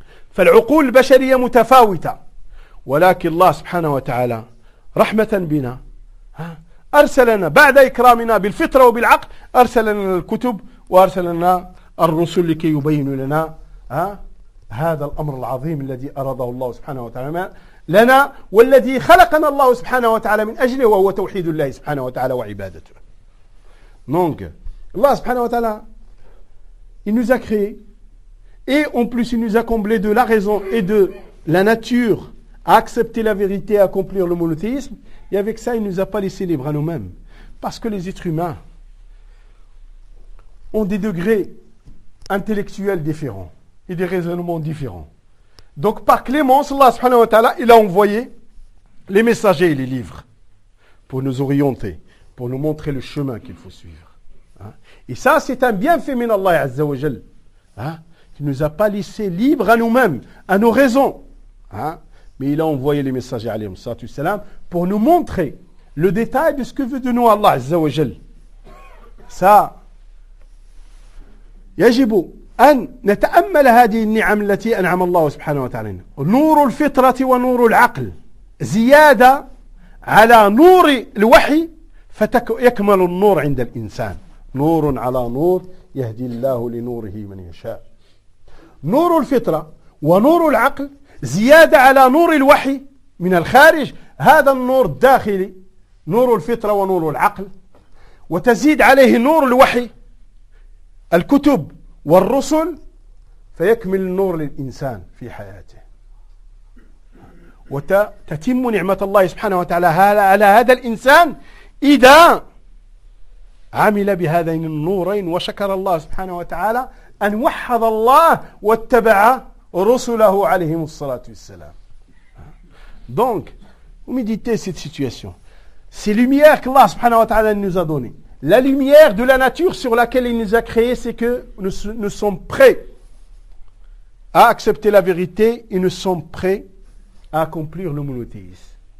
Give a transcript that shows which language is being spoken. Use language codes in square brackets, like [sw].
[ar] فالعقول البشرية متفاوتة، ولكن الله سبحانه وتعالى رحمة بنا أرسلنا بعد إكرامنا بالفطرة وبالعقل، أرسلنا الكتب وأرسلنا الرسل لكي يبين لنا هذا الأمر العظيم الذي أراده الله سبحانه وتعالى لنا، والذي خلقنا الله سبحانه وتعالى من أجله، وهو توحيد الله سبحانه وتعالى وعبادته. دونك [fr] الله سبحانه وتعالى il nous a créé et en plus il nous a comblé de la raison et de la nature à accepter la vérité, à accomplir le monothéisme, et avec ça il nous a pas laissé libre à nous-mêmes, parce que les êtres humains ont des degrés intellectuels différents et des raisonnements différents. Donc par clémence, Allah subhanahu wa ta'ala, il a envoyé les messagers et les livres pour nous orienter, pour nous montrer le chemin qu'il faut suivre. Et ça, c'est un bienfait min Allah azza wa jal, qui ne nous a pas laissé libres à nous-mêmes, à nos raisons. Mais il a envoyé les messagers alayhi salatu salam pour nous montrer le détail de ce que veut de nous Allah azza wa jal. Ça, [ar] يجب أن نتأمل هذه النعم التي أنعم الله سبحانه وتعالى. نور الفطرة ونور العقل زيادة على نور الوحي، فيكمل النور عند الإنسان. نور على نور يهدي الله لنوره من يشاء. نور الفطرة ونور العقل زيادة على نور الوحي من الخارج، هذا النور الداخلي نور الفطرة ونور العقل، وتزيد عليه نور الوحي الكتب والرسل، فيكمل النور للإنسان في حياته، وتتم نعمة الله سبحانه وتعالى على هذا الإنسان إذا عمل بهذين النورين وشكر الله سبحانه وتعالى أن وحد الله واتبع رسله عليهم الصلاة والسلام. [fr] Donc, vous méditez cette situation. C'est lumière que Allah سبحانه وتعالى nous a donné. La lumière de la nature sur laquelle il nous a créés, c'est que nous sommes prêts à accepter la vérité et nous sommes prêts à accomplir le monothéisme.